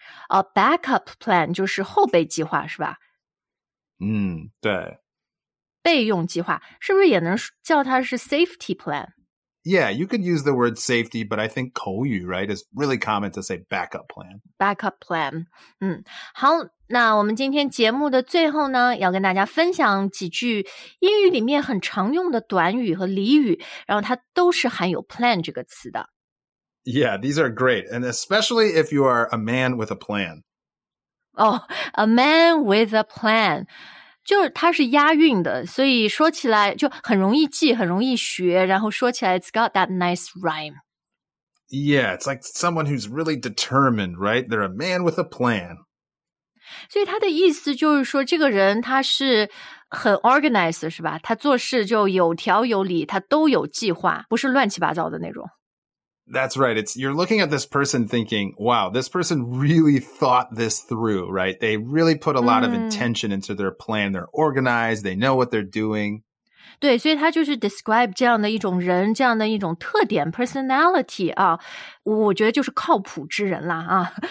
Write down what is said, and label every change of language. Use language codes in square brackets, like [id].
[en] A backup plan [zh] 就是后备计划是吧？对。备用计划是不是也能叫它是 safety plan? [en] Yeah, you could use the word safety, but I think [zh] 口语, [en] right, is really common to say backup plan. Backup plan. [zh] 好，那我们今天节目的最后呢，要跟大家分享几句英语里面很常用的短语和俚语，然后它都是含有 plan 这个词的。 [en] Yeah, these are great. And especially if you are a man with a plan. Oh, a man with a plan. [zh] 就是它是押韵的，所以说起来就很容易记，很容易学，然后说起来 [en] it's got that nice rhyme. Yeah, it's like someone who's really determined, right? They're a man with a plan. [zh] 所以它的意思就是说这个人他是很 organized, 是吧？他做事就有条有理，他都有计划，不是乱七八糟的那种。 [en] That's right. You're looking at this person thinking, wow, this person really thought this through, right? They really put a lot of intention into their plan. They're organized. They know what they're doing. [zh] 对，所以他就是 describe 这样的一种人，这样的一种特点 personality 啊，我觉得就是靠谱之人啦啊。